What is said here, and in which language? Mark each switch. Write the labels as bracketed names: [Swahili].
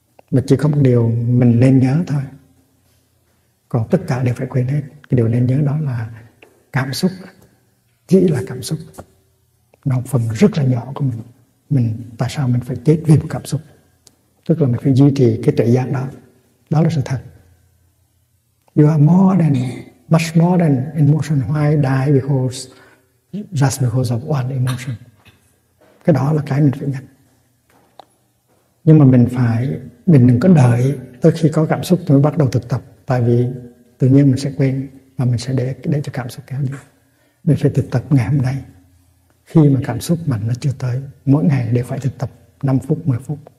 [Vietnamese] Mà chỉ có một điều mình nên nhớ thôi, còn tất cả đều phải quên hết. Cái điều nên nhớ đó là cảm xúc chỉ là cảm xúc, nó phần rất là nhỏ của mình. Mình tại sao mình phải chết vì một cảm xúc? Tức là mình phải duy trì cái tuệ giác đó, đó là sự thật. [English] You are more than, much more than emotion. Why die because, just because of one emotion? [Vietnamese] Cái đó là cái mình phải nhận. Nhưng mà mình đừng có đợi tới khi có cảm xúc mới bắt đầu thực tập, tại vì tự nhiên mình sẽ quên và mình sẽ để cho cảm xúc kéo đi. Mình phải thực tập ngày hôm nay, khi mà cảm xúc mạnh nó chưa tới, mỗi ngày đều phải thực tập 5 phút, 10 phút.